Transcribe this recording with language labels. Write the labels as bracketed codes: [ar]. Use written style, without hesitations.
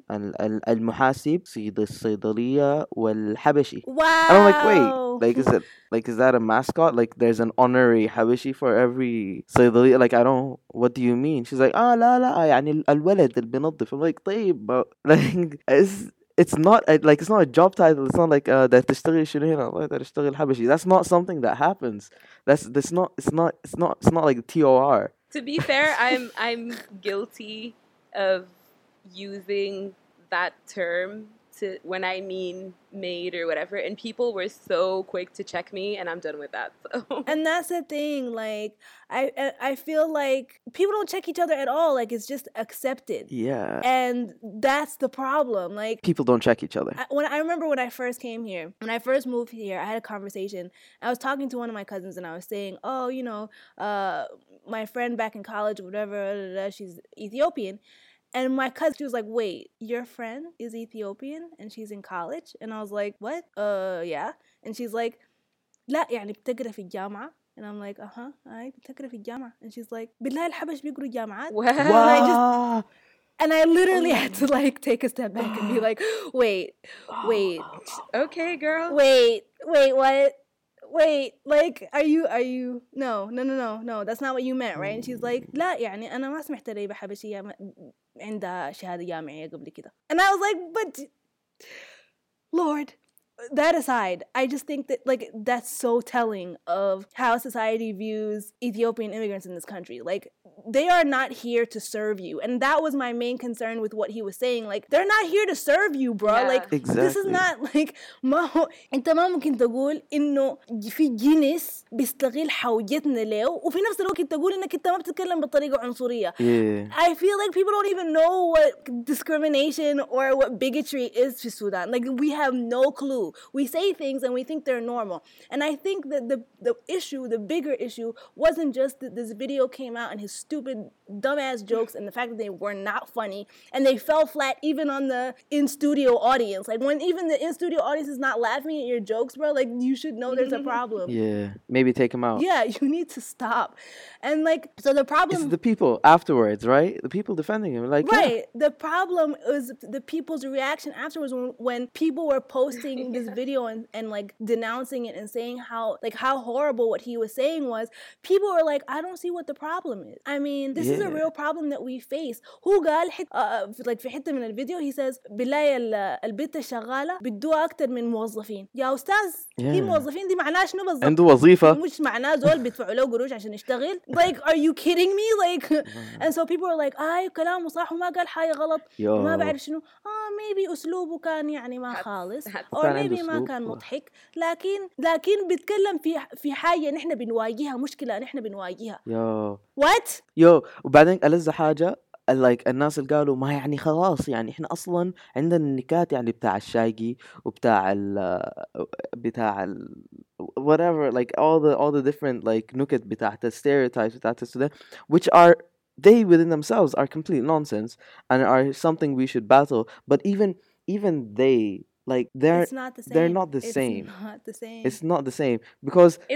[ar] المحاسب سيد الصيدلية والحبشي. [en] Wow. And I'm like, wait, like is that a mascot? Like there's an honorary حبشي for every صيدلية. Like I don't, what do you mean? She's like, [ar] لا لا يعني الولد اللي بنظف. [en] I'm like, طيب, but like it's not a job title. It's not like that [ar] تشتغل شنو هنا, [en] that [ar] تشتغل حبشي. [en] That's not something that happens. It's not like TOR. To be fair, I'm guilty of using that term to when I mean maid or whatever, and people were so quick to check me, and I'm done with that. So. And that's the thing, like I feel like people don't check each other at all. Like it's just accepted. Yeah. And that's the problem. Like people don't check each other. When I first moved here, I had a conversation. I was talking to one of my cousins, and I was saying, "Oh, you know, my friend back in college, whatever, blah, blah, blah, she's Ethiopian." And my cousin, she was like, wait, your friend is Ethiopian and she's in college? And I was like, what? Yeah. And she's like, [ar] لا يعني بتقرا في الجامعة. [en] And I'm like, uh-huh, I [ar] بتقرا في الجامعة. [en] And she's like, [ar] بالله الحبش بيقروا الجامعات. [en] Wow. And I literally had to like take a step back and be like, wait. Okay, girl. Wait, what? Wait, like, are you, no, that's not what you meant, right? And she's like, [ar] لا, يعني أنا ما سمحت لي بحبشية عندها شهادة جامعية قبل كده. [en] And I was like, but, Lord, that aside, I just think that, like, that's so telling of how society views Ethiopian immigrants in this country. Like, they are not here to serve you. And that was my main concern with what he was saying. Like, they're not here to serve you, bro. Yeah. Like, exactly. This is not, like, [ar] ما هو... انت ما ممكن تقول انه في جنس بيستغل حوجتنا ليه وفي نفس الوقت تقول انك انت ما بتتكلم بطريقة عنصرية. [en] Yeah. I feel like people don't even know what discrimination or what bigotry is في Sudan. Like, we have no clue. We say things and we think they're normal. And I think that the bigger issue wasn't just that this video came out and his stupid, dumbass jokes and the fact that they were not funny and they fell flat even on the in-studio audience. Like, when even the in-studio audience is not laughing at your jokes, bro, like, you should know there's a problem. Yeah, maybe take him out. Yeah, you need to stop. And, like, so the problem... It's the people afterwards, right? The people defending him, like... Right, yeah. The problem is the people's reaction afterwards when people were posting yeah. this video and, like, denouncing it and saying how horrible what he was saying was. People were like, I don't see what the problem is. I mean, this is a real problem that we face. [ar] Who قال like في حتة من الفيديو [en] he says [ar] بلاي البيت الشغالة بدوها أكتر من موظفين. يا أستاذ في موظفين دي معناه شنو بالضبط؟ عنده وظيفة. مش معناه زول بيدفعوا له قروش عشان يشتغل. [en] Like, are you kidding me? Like, and so people were like, [ar] أي كلامه صح وما قال حاجة غلط. ما بعرف شنو. Maybe أسلوبه كان يعني ما خالص. [en] Or maybe [ar] ما كان مضحك. لكن بيتكلم في حاجة نحن بنواجهها, مشكلة نحن بنواجهها. [en] Yo. What? Yo. [ar] وبعدين ألز حاجة [en] like [ar] الناس اللي قالوا ما يعني خلاص يعني إحنا أصلا عندنا النكات يعني بتاع الشايقي وبتاع ال بتاع ال [en] whatever like all the different like [ar] نكت بتاعة [en] stereotypes [ar] بتاعة السودان [en] which are they within themselves are complete nonsense and are something we should battle but even they like they're not the same because